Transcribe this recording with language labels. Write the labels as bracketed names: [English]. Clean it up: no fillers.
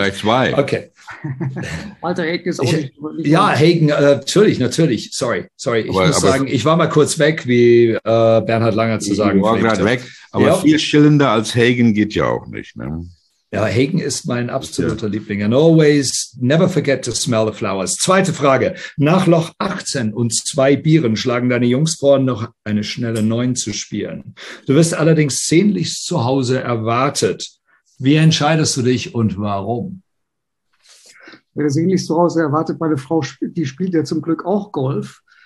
[German] Oder zwei. Okay. Walter Häkel ist auch nicht. Ja, Häkel, natürlich. Sorry. Ich muss sagen, ich war mal kurz weg, wie Bernhard Langer zu sagen. Ich war gerade weg, aber ja. Viel schillender als Häkel geht ja auch nicht, ne? Ja, Häkel ist mein absoluter Liebling. [English] And always never forget to smell the flowers. [German] Zweite Frage. Nach Loch 18 und zwei Bieren schlagen deine Jungs vor, noch eine schnelle 9 zu spielen. Du wirst allerdings sehnlichst zu Hause erwartet. Wie entscheidest du dich und warum? Wer sehnlichst zu Hause erwartet, meine Frau, die spielt ja zum Glück auch Golf.